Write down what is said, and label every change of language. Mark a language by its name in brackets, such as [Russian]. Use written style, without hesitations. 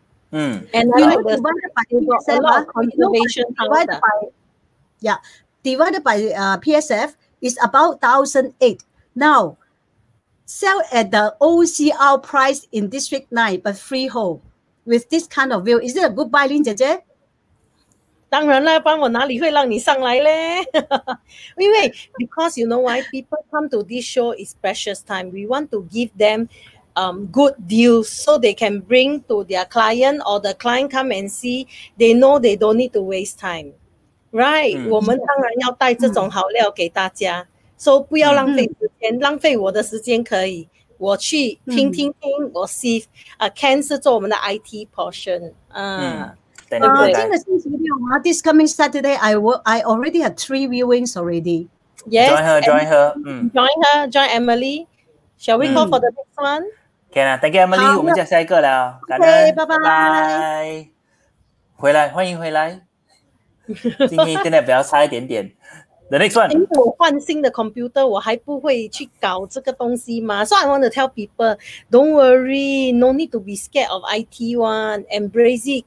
[English] And you know, divided by PSF is about 1008. Now, sell at the OCR price in District 9, but freehold with this kind of view. Is it a good buy, Lynn 姐姐？ [Chinese] 当然啦，帮我哪里会让你上来咧？因为 [English] because you know why people come to this show is precious time. We want to give them. Good deals so they can bring to their client or the client come and see, they know they don't need to waste time. Right? [Chinese] 我们当然要带这种好料给大家。 [English] So [Chinese] 不要浪费时间，浪费我的时间可以。我去听听听，我 see, Ken 是做我们的 IT portion. 今个星期六啊， [English] this coming Saturday, I already have three viewings already. Yes. Join Emily. Shall we call for the next one? [Chinese] 可以啦 ， [English] Thank you Emily， [Chinese] 我们讲下一个了，感恩，拜拜，拜回来，欢迎回来。今天真的比较差一点点。 [English] The next one， [Chinese] 因为我换新的 computer， 我还不会去搞这个东西嘛。 [English] So I want to tell people， don't worry， no need to be scared of IT one， embrace it。